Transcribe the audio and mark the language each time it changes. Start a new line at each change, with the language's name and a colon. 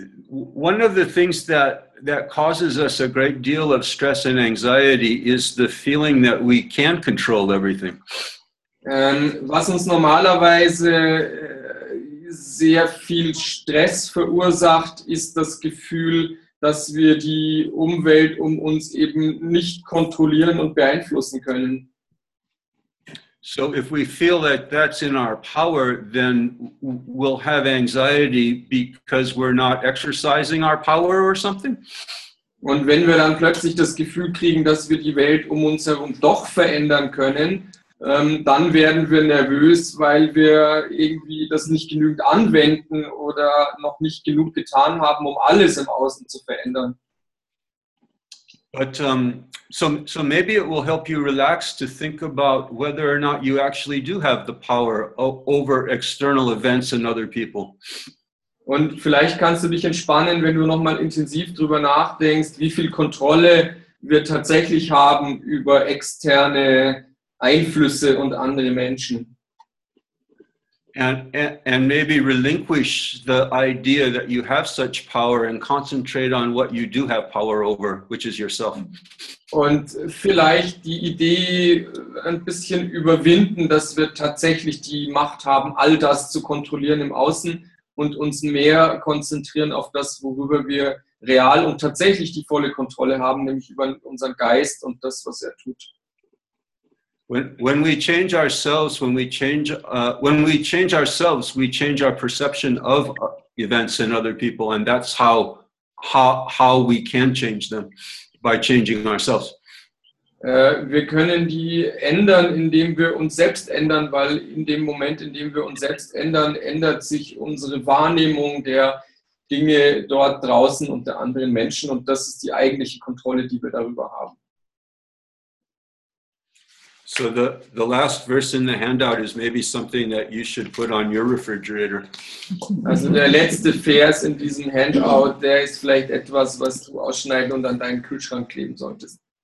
English: One of the things that causes us a great deal of stress and anxiety is the feeling that we can't control everything.
German: Was uns normalerweise sehr viel Stress verursacht, ist das Gefühl, dass wir die Umwelt um uns eben nicht kontrollieren und beeinflussen können.
English: So if we feel that that's in our power, then we'll have anxiety because we're not exercising our power or something.
German: Und wenn wir dann plötzlich das Gefühl kriegen, dass wir die Welt um uns herum doch verändern können, dann werden wir nervös, weil wir irgendwie das nicht genügend anwenden oder noch nicht genug getan haben, um alles im Außen zu verändern.
English: But so maybe it will help you relax to think about whether or not you actually do have the power over external events and other people.
German: Und vielleicht kannst du dich entspannen, wenn du noch mal intensiv drüber nachdenkst, wie viel Kontrolle wir tatsächlich haben über externe Einflüsse und andere Menschen.
English: And maybe relinquish the idea that you have such power and concentrate on what you do have power over, which is yourself.
German: Und vielleicht die Idee ein bisschen überwinden, dass wir tatsächlich die Macht haben, all das zu kontrollieren im Außen, und uns mehr konzentrieren auf das, worüber wir real und tatsächlich die volle Kontrolle haben, nämlich über unseren Geist und das, was er tut.
English: When we change ourselves, we change our perception of events and other people, and that's how we can change them, by changing ourselves.
German: Wir können die ändern, indem wir uns selbst ändern, weil in dem Moment, in dem wir uns selbst ändern, ändert sich unsere Wahrnehmung der Dinge dort draußen und der anderen Menschen, und das ist die eigentliche Kontrolle, die wir darüber haben.
English: So the last verse in the handout is maybe something that you should put on your refrigerator.
German: Also der letzte Vers in diesem Handout, der ist vielleicht etwas, was du ausschneiden und an deinen Kühlschrank kleben solltest.